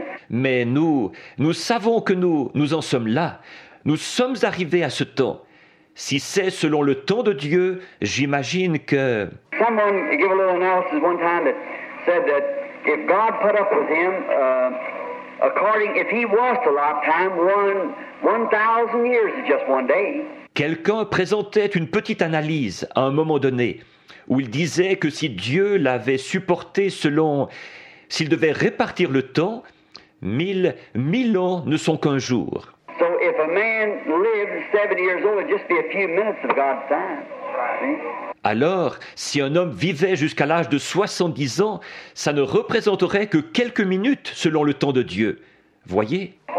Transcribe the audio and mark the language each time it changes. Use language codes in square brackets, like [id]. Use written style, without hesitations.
[fr] Mais nous savons que nous en sommes là. Nous sommes arrivés à ce temps. Si c'est selon le temps de Dieu, j'imagine que... [en] Someone gave a little analysis one time that said that if God put up with him, according if he was to lifetime, 1,000 years is just one day. [fr] Quelqu'un présentait une petite analyse à un moment donné, où il disait que si Dieu l'avait supporté selon... S'il devait répartir le temps, Mille ans ne sont qu'un jour. [en] So if a man lived 70 years old, it'd just be a few minutes of God's time. See? [fr] Alors, si un homme vivait jusqu'à l'âge de 70 ans, ça ne représenterait que quelques minutes selon le temps de Dieu. Voyez?